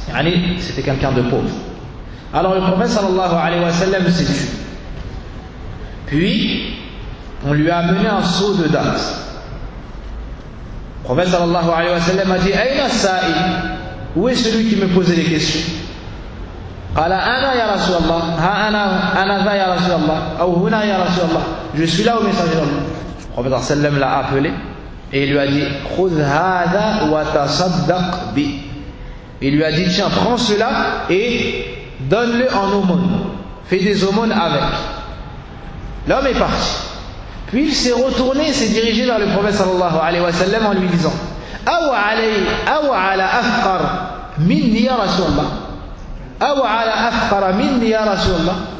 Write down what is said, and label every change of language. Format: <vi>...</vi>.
<fr>Yani, c'était quelqu'un de pauvre. Alors le prophète sallallahu alayhi wa sallam s'est tué. Puis, on lui a amené un seau de dattes. Le prophète sallallahu alayhi wa sallam a dit,</fr> <ar>aïna sa'i,</ar> <fr>où est celui qui me posait les questions?</fr> <ar>قال انا يا رسول الله ها انا ذا يا رسول الله او هنا يا رسول الله</ar> <fr>je suis là au messager d'Allah. Prophète صلى الله عليه وسلم l'a appelé et il lui a dit</fr> <ar>خذ هذا وتصدق به.</ar> <fr>Il lui a dit tiens prends cela et donne-le en aumône, fais des aumônes avec. L'homme est parti, puis il s'est retourné et s'est dirigé vers le prophète صلى الله عليه وسلم en lui disant</fr> <ar>او علي او على افقر مني يا رسول الله</ar> <fr>يا رسول الله.</fr>